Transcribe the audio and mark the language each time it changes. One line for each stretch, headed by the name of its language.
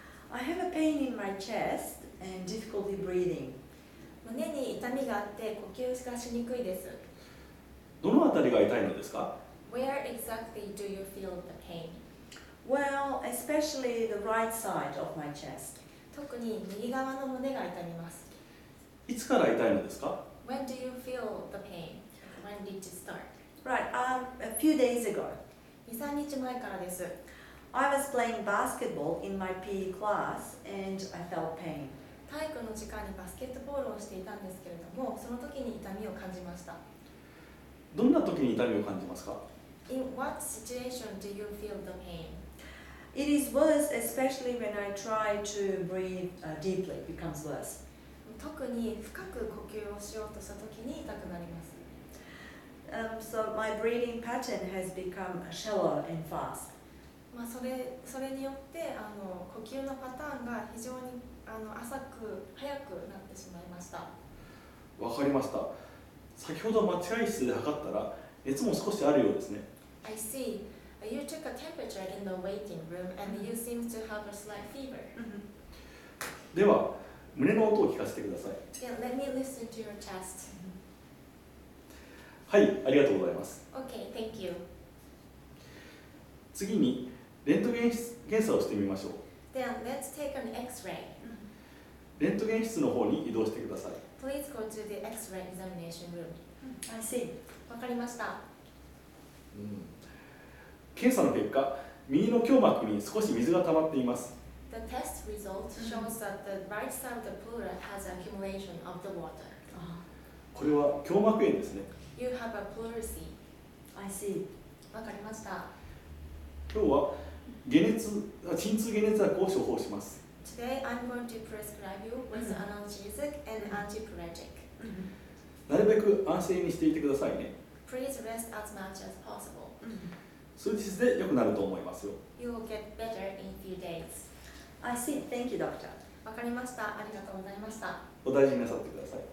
English: I have a pain in my chest and difficulty breathing.
Japanese: 胸に痛みがあって呼吸がしにくいです。どのあたりが痛いのですか?
English: Where exactly do you feel the pain? Well, especially the right side of my chest.
Japanese: 特に右側の胸が痛みます。いつから痛いのですか?
English: When do you feel the pain? When did you start? Right, a few days ago.
Japanese: 2-3 日前からです。
English: I was playing basketball in my PE class and I felt pain.
Japanese: 体育の時間にバスケットボールをしていたんですけれども、その時に痛みを感じました。どんな時に痛みを感じますか?
English: In what situation do you feel the pain? It is worse especially when I try to breathe deeply. It becomes worse.
Japanese: 特に深く呼吸をしようとしたときに痛くなります。
English: So my breathing pattern has become shallow and fast.
Japanese: まあそれによって呼吸のパターンが非常に浅く早くなってしまいました。わかりました。先ほど待合室で測ったら熱も少しあるようですね。
English: I see. You took a temperature in the waiting room and you seem to have a slight fever.
Japanese: では胸の音を聞かせてください。
English: Yeah, let me listen to your chest.
Japanese: はい、ありがとうございます。
English: Okay, thank you.
Japanese: 次に、レントゲン検査をしてみましょう。
English: Then, let's take an X-ray.
Japanese: レントゲン室の方に移動してください。
English: Please go to the X-ray examination room. I see.
Japanese: わかりました。検査の結果、右の胸膜に少し水が溜まっています。
English: The test result shows that the right side of the pleura has accumulation of the water.
Japanese: これは胸膜炎ですね。
English: You have a pleurisy. I see.
Japanese: わかりました。今日は鎮痛解熱薬を処方します。
English: Today I'm going to prescribe you with analgesic and antipyretic.
Japanese: なるべく安静にしていてくださいね。
English: Please rest as much as possible.
Japanese: 数日で良くなると思いますよ。
English: You will get better in a few days. I see. Thank you, doctor.
Japanese: わかりました。ありがとうございました。お大事になさってください。